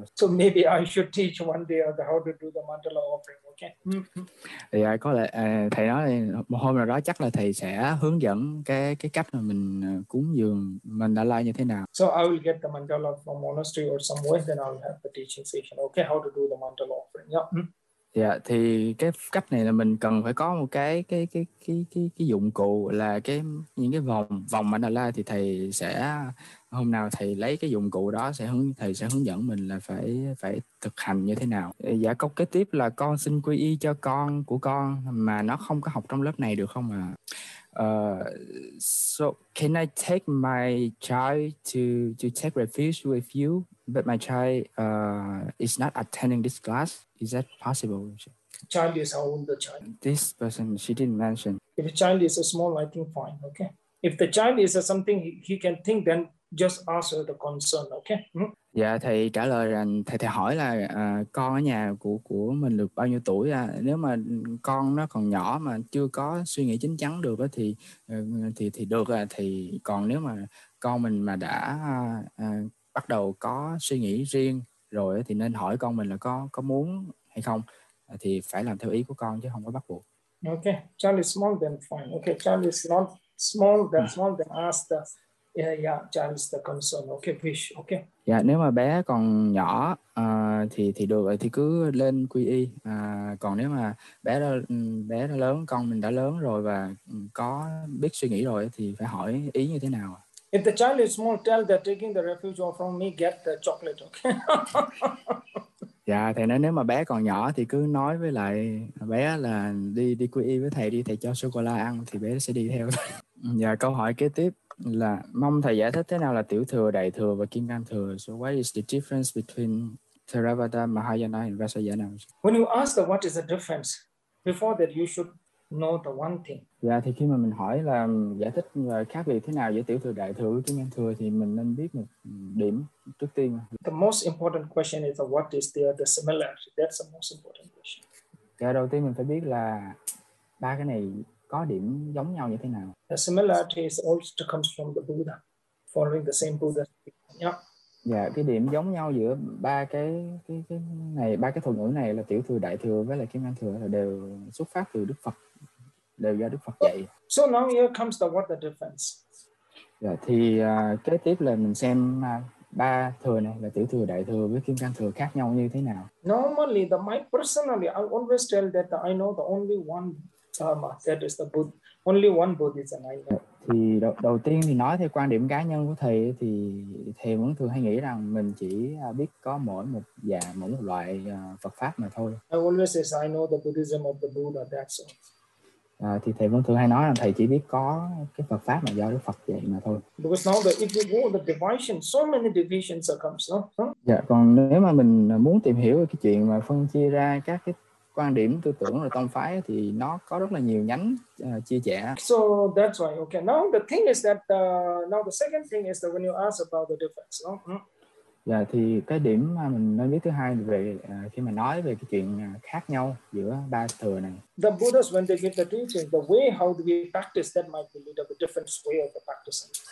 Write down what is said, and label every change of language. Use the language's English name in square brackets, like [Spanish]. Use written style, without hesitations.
[English] So maybe I should teach one day how to do the mandala offering, okay? [Vietnamese] Yeah, có lẽ thầy nói một hôm nào đó chắc là thầy sẽ hướng dẫn cái cách mà mình cúng dường mandala như thế nào. [English] So I will get the mandala from monastery or somewhere, then I'll have the teaching session, okay? How to do the mandala offering, yeah. [Vietnamese] Dạ thì cái cách này là mình cần phải có một cái dụng cụ là những cái vòng mandala, thì thầy sẽ hôm nào thầy lấy cái dụng cụ đó thầy sẽ hướng dẫn mình là phải thực hành như thế nào. Dạ câu kế tiếp là con xin quy y cho con của con mà nó không có học trong lớp này được không ạ? [English] So can I take my child to take refuge with you? But my child is not attending this class. Is that possible? Child is how old the child? This person, she didn't mention. If a child is a small, I think fine, okay? If the child is something he can think, then just ask her the concern, okay? [Vietnamese] Dạ, thầy trả lời rằng thầy hỏi là con ở nhà của mình được bao nhiêu tuổi à? Nếu mà con nó còn nhỏ mà chưa có suy nghĩ chín chắn được thì được à. Thì còn nếu mà con mình mà đã bắt đầu có suy nghĩ riêng rồi thì nên hỏi con mình là có muốn hay không, thì phải làm theo ý của con chứ không có bắt buộc. [English] Okay, child is small then fine. Okay, child is not small then small then ask the yeah child is the concern. Okay, wish. Okay. [Vietnamese] Dạ, nếu mà bé còn nhỏ thì được rồi, thì cứ lên quy y. Còn nếu mà bé đã lớn, con mình đã lớn rồi và có biết suy nghĩ rồi thì phải hỏi ý như thế nào. [English] If the child is small, tell that taking the refuge or from me, get the chocolate, okay? [Vietnamese] Dạ, thầy nói nếu mà bé còn nhỏ thì cứ nói với lại bé là đi quy y với thầy đi, thầy cho sô-cô-la ăn thì bé sẽ đi theo. Dạ, câu hỏi kế tiếp là mong thầy giải thích thế nào là tiểu thừa, đại thừa và kim cang thừa. [English] So what is the difference between Theravada, Mahayana and Vajrayana? When you ask the what is the difference, before that you should know the one thing. [Vietnamese] Dạ thì khi mà mình hỏi là giải thích khác biệt thế nào giữa tiểu thừa, đại thừa, kim cang thừa thì mình nên biết một điểm trước tiên. [English] The most important question is what is the similarity. That's the most important question. [Vietnamese] Dạ đầu tiên mình phải biết là ba cái này có điểm giống nhau như thế nào. [English] The similarity is also comes from the Buddha, following the same Buddha. Yeah. [Vietnamese] Dạ cái điểm giống nhau giữa ba cái thuật ngữ này là tiểu thừa, đại thừa với lại kim cang thừa là đều xuất phát từ Đức Phật. Đều do Đức Phật dạy. [English] So now here comes the what the difference. [Vietnamese] Dạ thì kế tiếp là mình xem ba thừa này là tiểu thừa, đại thừa với kim cang thừa khác nhau như thế nào. [English] Normally the my personally I always tell that I know the only one Dharma, that is the Buddha. Only one Buddha is an idea. [Vietnamese] Thì đầu tiên thì nói theo quan điểm cá nhân của thầy thì thầy vẫn thường hay nghĩ rằng mình chỉ biết có mỗi một dạng, mỗi một loại Phật pháp mà thôi. [English] I always say I know the Buddhism of the Buddha, that's all. [Vietnamese] Thì thầy vẫn thường hay nói là thầy chỉ biết có cái Phật pháp mà do Đức Phật dạy mà thôi. [English] Because now that if you go the division, so many divisions are comes, no? [Vietnamese] Dạ, còn nếu mà mình muốn tìm hiểu cái chuyện mà phân chia ra các cái quan điểm tư tưởng rồi tông phái thì nó có rất là nhiều nhánh chia sẻ. [English] So that's why, okay. Now the thing is that now the second thing is that when you ask about the difference, no? [Vietnamese] Dạ, thì cái điểm mà mình nói biết thứ hai về khi mà nói về cái chuyện khác nhau giữa ba thừa này. [English] The Buddhas when they give the teaching, the way how do we practice that might be a little bit different way of the practicing.